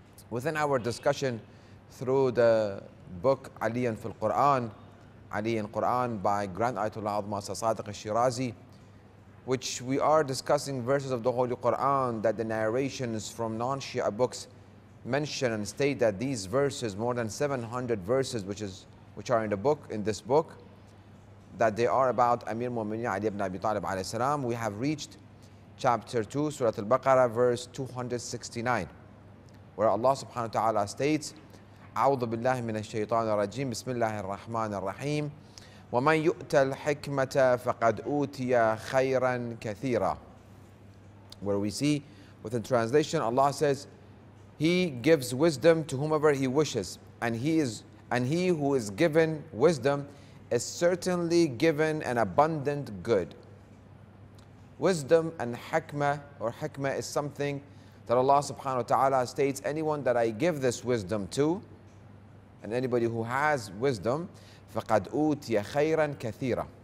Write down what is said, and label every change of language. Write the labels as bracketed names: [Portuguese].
[English] Within our discussion through the book Aliyan fil Quran, Ali in Quran by Grand Ayatollah Azma Sadiq al-Shirazi, which we are discussing verses of the Holy Quran that the narrations from non-Shia books mention and state that these verses, more than 700 verses which are in the book, in this book, that they are about Amir Mu'minin Ali ibn Abi Talib alayhi salam. We have reached chapter 2, Surah Al-Baqarah, verse 269, where Allah subhanahu wa ta'ala states, [Arabic] أعوذ بالله من الشيطان الرجيم بسم الله الرحمن الرحيم ومن يؤت الحكمة فقد أوتي خيرا كثيرا. [English] Where we see within translation, Allah says, He gives wisdom to whomever He wishes, and he who is given wisdom is certainly given an abundant good. Wisdom and hikmah is something that Allah subhanahu wa ta'ala states, anyone that I give this wisdom to, and anybody who has wisdom, [Arabic] فَقَدْ أُوتِيَ خَيْرًا كَثِيرًا.